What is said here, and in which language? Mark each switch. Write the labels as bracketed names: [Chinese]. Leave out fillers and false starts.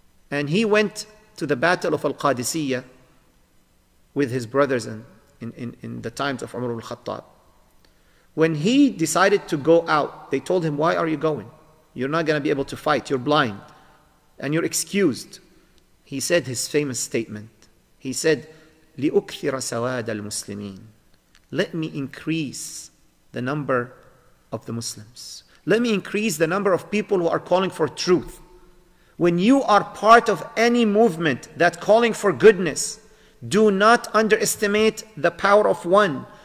[English] And he went to the battle of Al-Qadisiyah with his brothers in the times of Umar al-Khattab. When he decided to go out, they told him, why are you going? You're not going to be able to fight. You're blind. And you're excused. He said his famous statement. He said, [Arabic] لِأُكْثِرَ سَوَادَ الْمُسْلِمِينَ. [English] Let me increase the number of the Muslims. Let me increase the number of people who are calling for truth. When you are part of any movement that calling for goodness, do not underestimate the power of one.